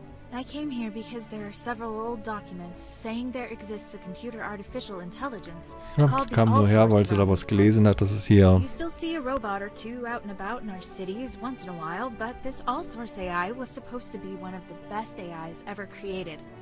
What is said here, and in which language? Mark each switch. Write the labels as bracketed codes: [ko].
[en] I came here because there are several old documents saying there exists a computer artificial intelligence. [de] Ja, sie kam nur her, weil sie da was gelesen hat, dass es hier. [en] You still see a robot or two out and about in our cities once in a while, but this all-source AI was supposed to be one of the best AIs ever created.